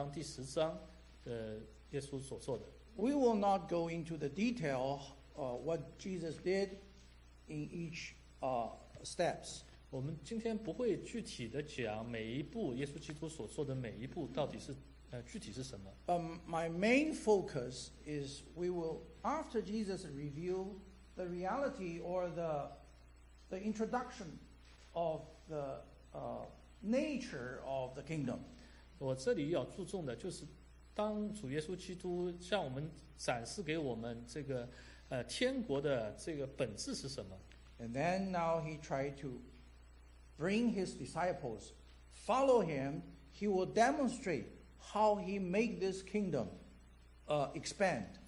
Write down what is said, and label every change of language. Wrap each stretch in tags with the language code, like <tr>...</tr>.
<zh>有这样的记载在第八章、第九章、第十章，耶稣所做的。</zh> <en>We will not go into the detail what Jesus did in each steps.</en> <zh>我们今天不会具体的讲每一步耶稣基督所做的每一步到底是。</zh> <en>My main focus is we will, after Jesus reveal the reality or the introduction of the nature of the kingdom.</en> <zh>我这里要注重的就是当主耶稣基督向我们展示给我们这个天国的这个本质是什么。</zh> <en>And then now he tried to bring his disciples, follow him, he will demonstrate how he make this kingdom expand.</en>